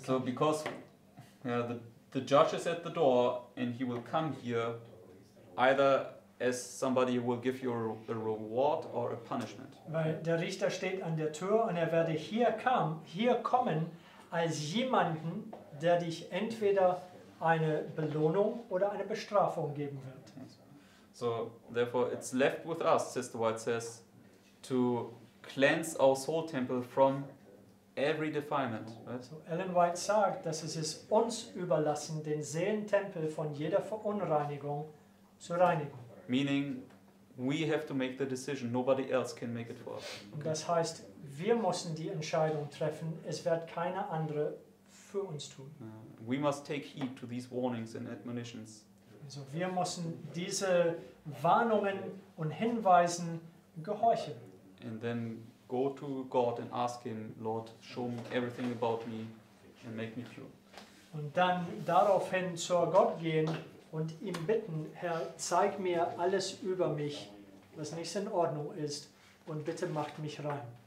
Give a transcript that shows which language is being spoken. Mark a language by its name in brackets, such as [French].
[English] So because the judge is at the door and he will come here either as somebody who will give you a reward or a punishment. [German] Weil der Richter steht an der Tür und er werde hier kommen als jemanden, der dich entweder eine Belohnung oder eine Bestrafung geben wird. [English] So therefore it's left with us, Sister White says, to cleanse our soul temple from every defilement. Right? [German] So Ellen White sagt, dass es ist uns überlassen, den Seelentempel von jeder Verunreinigung zu reinigen. [English] Meaning, we have to make the decision. Nobody else can make it for us. [German] Okay. Das heißt, wir müssen die Entscheidung treffen. Es wird keiner andere für uns tun. [English] We must take heed to these warnings and admonitions. [German] Also wir müssen diese Warnungen und Hinweisen gehorchen. [English] And then go to God and ask him, Lord, show me everything about me and make me pure. [German] Und dann daraufhin zu Gott gehen und ihm bitten, Herr, zeig mir alles über mich, was nicht in Ordnung ist, und bitte macht mich rein.